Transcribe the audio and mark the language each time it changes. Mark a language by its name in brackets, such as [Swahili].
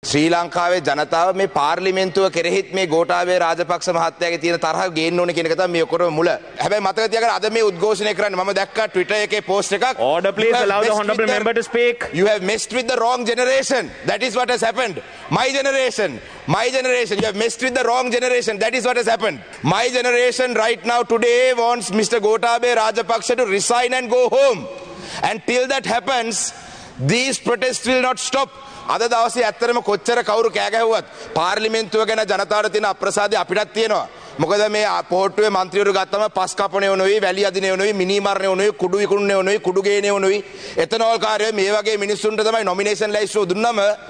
[Sinhala] ශ්‍රී ලංකාවේ ජනතාව මේ පාර්ලිමේන්තුව කෙරෙහිත් මේ ගෝඨාභය රාජපක්ෂ මහත්තයාගේ තියෙන තරහ ගේන්න ඕනේ කියන එක තමයි මේ ඔක්කොම මුල. හැබැයි මතක තියාගන්න අද මේ උද්ඝෝෂණය කරන්නේ මම දැක්කා ට්විටර් එකේ පෝස්ට් එකක්. [English] Order please allow the honorable member to speak. You have messed with the wrong generation. That is what has happened. My generation. My generation. You have messed with the wrong generation. That is what has happened. My generation right now today wants Mr. Ghotabaya Rajapaksa to resign and go home. And till that happens, these protests will not stop. [Sinhala] අද දවසේ ඇත්තටම කොච්චර කවුරු කෑ ගැහුවත් පාර්ලිමේන්තුව ගැන ජනතාවට තියෙන අප්‍රසාදය අපිටත් තියෙනවා. මොකද මේ පොහොට්ටුවේ මන්ත්‍රීවරු ගත්තම පස් කපණේ වුණොයි, වැලි අදිනේ වුණොයි, මිනි මරණේ වුණොයි, කුඩු විකුණුනේ වුණොයි, කුඩු ගේනේ වුණොයි, එතනෝල් කාර්යය මේ වගේ මිනිස්සුන්ට තමයි නොමිනේෂන් ලැයිස්තුව දුන්නම.